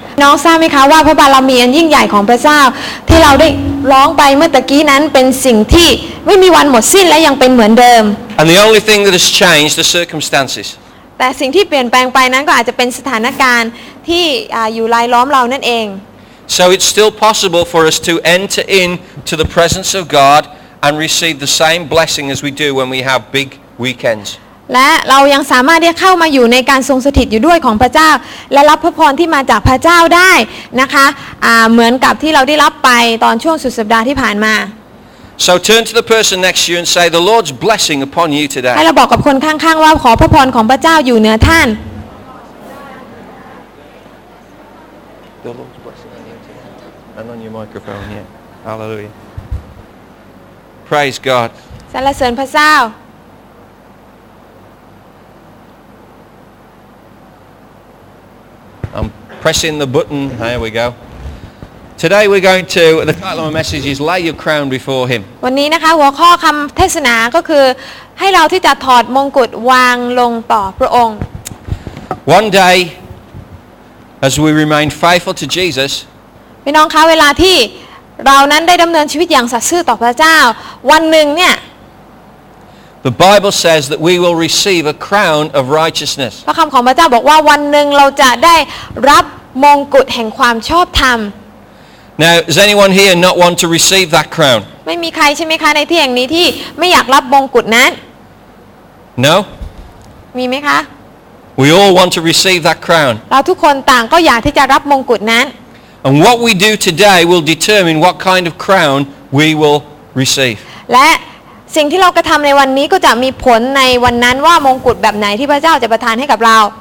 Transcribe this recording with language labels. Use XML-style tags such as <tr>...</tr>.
<th>น้องทราบไหมคะว่าพระบารมีอันยิ่งใหญ่ของพระเจ้าที่เราได้ร้องไปเมื่อตะกี้นั้นเป็นสิ่งที่ไม่มีวันหมดสิ้นและยังเป็นเหมือนเดิม</th> <en>And the only thing that has changed the circumstances</en> <th>แต่สิ่งที่เปลี่ยนแปลงไปนั้นก็อาจจะเป็นสถานการณ์ที่อยู่รายล้อมเรานั่นเอง</th> <en>So it's still possible for us to enter into the presence of God and receive the same blessing as we do when we have big weekends</en> <th>และเรายังสามารถได้เข้ามาอยู่ในการทรงสถิตอยู่ด้วยของพระเจ้าและรับพระพรที่มาจากพระเจ้าได้นะคะเหมือนกับที่เราได้รับไปตอนช่วงสุดสัปดาห์ที่ผ่านมา</th> <en>So turn to the person next to you and say the Lord's blessing upon you today</en> <th>ให้เราบอกกับคนข้างๆว่าขอพระพรของพระเจ้าอยู่เหนือท่าน</th> <en>The Lord's blessing and on your microphone here Hallelujah Praise God</en> <th>สรรเสริญพระเจ้า</th> <en>I'm pressing the button. Here we go. Today we're going to the title of my message is lay your crown before him.</en> <th>วันนี้นะคะหัวข้อคำเทศนาก็คือให้เราที่จะถอดมงกุฎวางลงต่อพระองค์</th> <en>One day as we remain faithful to Jesus</en> <th>พี่น้องคะเวลาที่เรานั้นได้ดำเนินชีวิตอย่างสัตย์ซื่อต่อพระเจ้าวันหนึ่งเนี่ย</th> <en>The Bible says that we will receive a crown of righteousness.</en> <th>พระคำของพระเจ้าบอกว่าวันหนึ่งเราจะได้รับมงกุฎแห่งความชอบธรรม</th> <en>Now, is anyone here not want to receive that crown?</en> <th>ไม่มีใครใช่ไหมคะในที่แห่งนี้ที่ไม่อยากรับมงกุฎนั้น</th> <en>No.</en> <th>มีไหมคะ</th> <en>We all want to receive that crown.</en> <th>เราทุกคนต่างก็อยากที่จะรับมงกุฎนั้น</th> <en>And what we do today will determine what kind of crown we will receive.</en> <th>และสิ่งที่เรากระทำในวันนี้ก็จะมีผลในวันนั้นว่ามงกุฎแบบไหนที่พระเจ้าจะประทานให้กับเรา</th>